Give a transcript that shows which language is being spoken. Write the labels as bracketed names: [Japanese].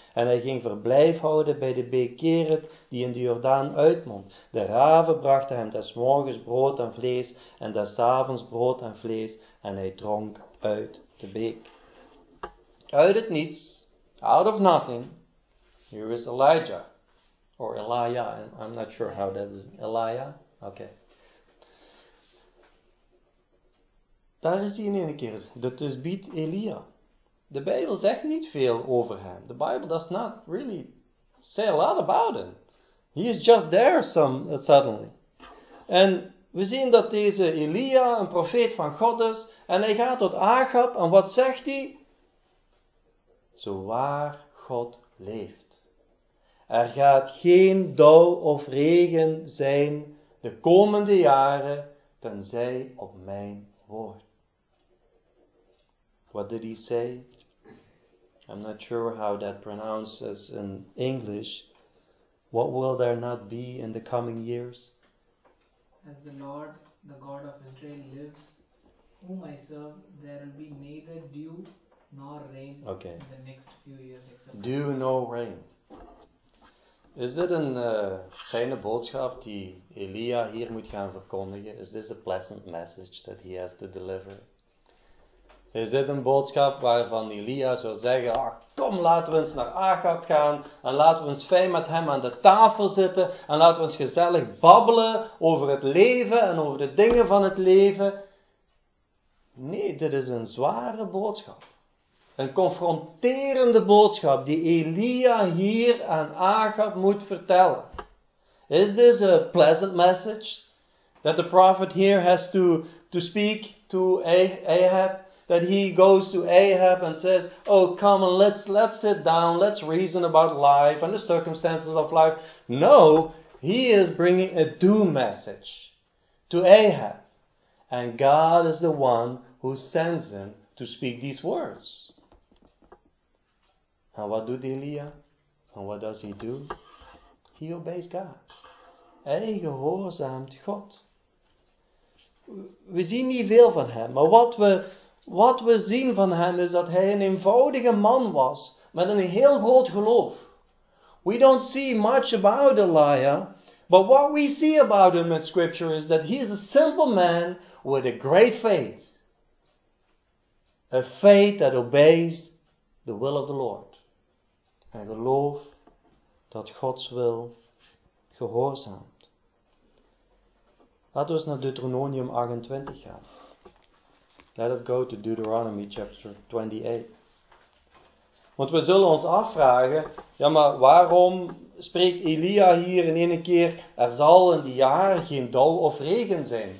[Dutch] En hij ging verblijf houden bij de beek Kerit, die in de Jordaan uitmondt. De raven brachten hem des morgens brood en vlees en des avonds brood en vlees en hij dronk uit de beek. Uit het niets, [English] out of nothing, here is Elijah. Or Elijah, I'm not sure how that is. Elijah? Okay. [Dutch] Daar is hij in één keer. Dat is biedt Elia. De Bijbel zegt niet veel over hem. [English] The Bible does not really say a lot about him. He is just there suddenly. [Dutch] En we zien dat deze Elia een profeet van God is. En hij gaat tot Achab. En wat zegt hij? Zo waar God leeft. Er gaat geen dauw of regen zijn de komende jaren, tenzij op mijn woord. [English] What did he say? I'm not sure how that pronounces in English. What will there not be in the coming years? As the Lord, the God of Israel, lives, whom I serve, there will be neither dew nor rain okay. in the next few years. Except dew nor rain. [Dutch] Is dit een fijne boodschap die Elia hier moet gaan verkondigen? [English] Is this a pleasant message that he has to deliver? [Dutch] Is dit een boodschap waarvan Elia zou zeggen, oh, kom, laten we eens naar Achab gaan en laten we eens fijn met hem aan de tafel zitten en laten we eens gezellig babbelen over het leven en over de dingen van het leven? Nee, dit is een zware boodschap. Een confronterende boodschap die Elia hier aan Achab moet vertellen. [English] Is this a pleasant message that the prophet here has to speak to Ahab? That he goes to Ahab and says, oh, come on, let's sit down, let's reason about life and the circumstances of life. No, he is bringing a doom message to Ahab. And God is the one who sends him to speak these words. And what does Elia? And what does he do? He obeys God. [Dutch] Hij gehoorzaamt God. We zien niet veel van hem, maar wat we zien van hem is dat hij een eenvoudige man was met een heel groot geloof. [English] We don't see much about Elijah, but what we see about him in Scripture is that he is a simple man with a great faith. A faith that obeys the will of the Lord. [Dutch] Een geloof dat Gods wil gehoorzaamt. Laten we eens naar Deuteronomium 28 gaan. [English] Let us go to Deuteronomy chapter 28. [Dutch] Want we zullen ons afvragen, ja maar waarom spreekt Elia hier in één keer, er zal in die jaren geen dauw of regen zijn.